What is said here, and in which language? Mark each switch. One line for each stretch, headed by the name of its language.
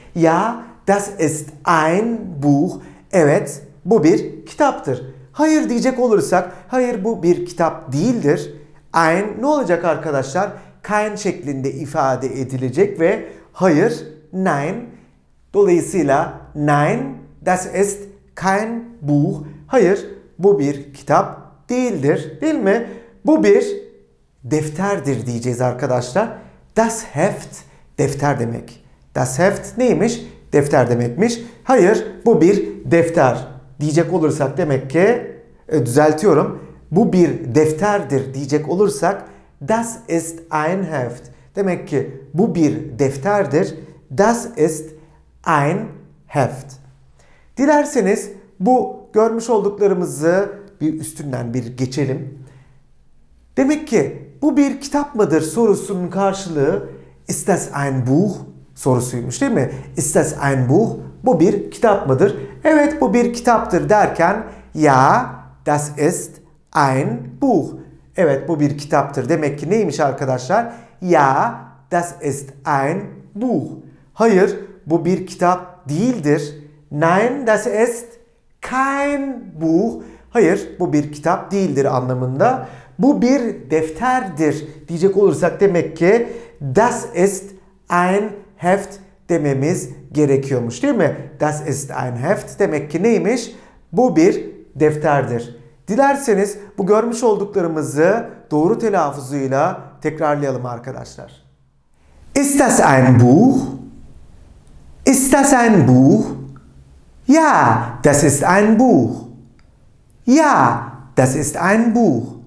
German: Ja, das ist ein Buch.
Turkish: Evet bu bir kitaptır. Hayır diyecek olursak, hayır bu bir kitap değildir. Ein ne olacak arkadaşlar? Kein şeklinde ifade edilecek ve hayır, nein. Dolayısıyla
German: nein, das ist kein Buch.
Turkish: Hayır, bu bir kitap değildir. Değil mi? Bu bir defterdir diyeceğiz arkadaşlar. Das Heft, defter demek. Das Heft neymiş? Defter demekmiş. Hayır, bu bir defter diyecek olursak demek ki, düzeltiyorum. Bu bir defterdir diyecek olursak,
German: das ist ein Heft.
Turkish: Demek ki bu bir defterdir.
German: Das ist ein Heft.
Turkish: Dilerseniz bu görmüş olduklarımızı bir üstünden bir geçelim. Demek ki bu bir kitap mıdır sorusunun karşılığı
German: ist das ein Buch
Turkish: sorusuymuş değil mi? Ist das ein Buch? Bu bir kitap mıdır? Evet bu bir kitaptır derken
German: ja, das ist ein Buch.
Turkish: Evet bu bir kitaptır. Demek ki neymiş arkadaşlar?
German: Ja, das ist ein Buch.
Turkish: Hayır, bu bir kitap değildir.
German: Nein, das ist kein Buch.
Turkish: Hayır, bu bir kitap değildir anlamında. Bu bir defterdir diyecek olursak demek ki
German: das ist ein Heft
Turkish: dememiz gerekiyormuş değil mi?
German: Das ist ein Heft
Turkish: demek ki neymiş? Bu bir defterdir. Dilerseniz bu görmüş olduklarımızı doğru telaffuzuyla tekrarlayalım arkadaşlar.
German: Ist das ein Buch? Ist das ein Buch? Ja, das ist ein Buch. Ja, das ist ein Buch.